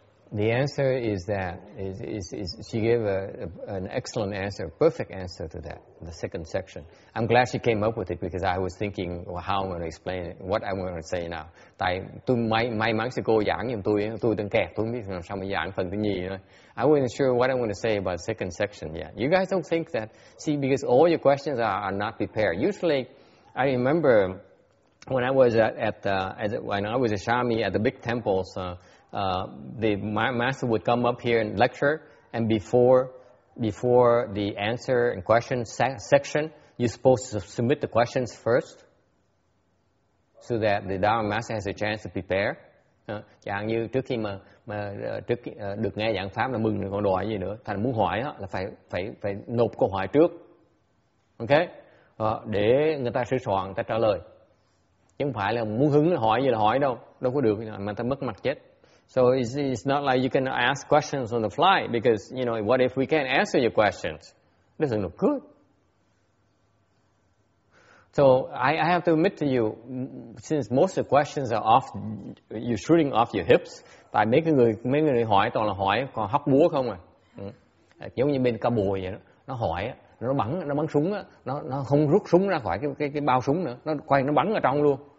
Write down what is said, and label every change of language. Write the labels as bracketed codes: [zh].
[en] The answer is that is she gave an excellent answer, perfect answer to that, the second section. I'm glad she came up with it because I was thinking, well, how I'm going to explain it, what I'm going to say now. [vi] Tại tôi may mắn sư cô giảng giùm tôi đang kẹt, tôi biết làm sao mà giảng phần thứ nhì nữa. [en] I wasn't sure what I'm going to say about the second section yet. You guys don't think that, see, because all your questions are not prepared. Usually, I remember when I was a shami at the big temples. My master would come up here and lecture, and before the answer and question section, you're supposed to submit the questions first. so that the Dharma Master has a chance to prepare. [vi] Chẳng như trước khi mà trước được nghe giảng pháp là mừng còn đòi gì nữa, thành muốn hỏi là phải nộp câu hỏi trước, ok, để người ta sửa soạn, người ta trả lời, chứ không phải là muốn hứng hỏi gì là hỏi đâu, đâu có được, mà ta mất mặt chết. [en] So it's not like you can ask questions on the fly, because you know what if we can't answer your questions, it doesn't look good. So I have to admit to you, since most of the questions are off, you're shooting off your hips. [vi] Tại mấy người hỏi toàn là hỏi còn hóc búa không à? Giống như bên ca bùi vậy đó, nó hỏi, nó bắn súng, nó không rút súng ra khỏi cái bao súng nữa, nó quay nó bắn ở trong luôn.